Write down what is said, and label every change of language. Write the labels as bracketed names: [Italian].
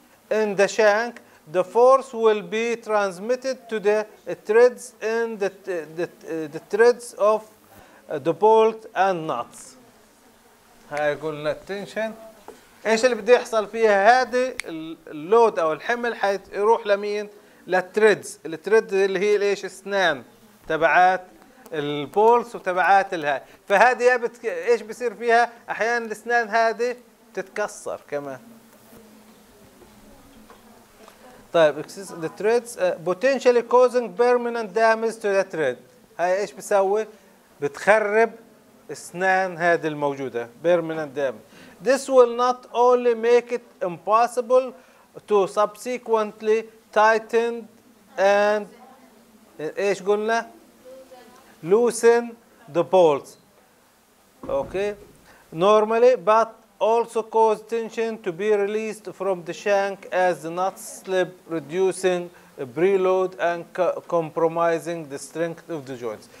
[English] in the shank, the force will be transmitted to the threads in the threads of the bolt and nuts. [Arabic] هاي قلنا التنشن. ايش اللي بدي يحصل فيها؟ هذه اللود او الحمل حيروح لمين؟ للتريدز. التريد اللي هي ايش؟ اسنان تبعات البولس وتبعات الهاي. فهذه ايش بصير فيها؟ احيانا الاسنان هذه تتكسر كمان. طيب [English] the threads potentially causing permanent damage to the thread. [Arabic] هاي ايش بيسوي؟ بتخرب اسنان هذه الموجودة. [English] permanent damage. This will not only make it impossible to subsequently tighten and [Arabic] ايش قلنا؟ [English] loosen the bolts. Okay. Normally but also cause tension to be released from the shank as the nuts slip, reducing preload and compromising the strength of the joints.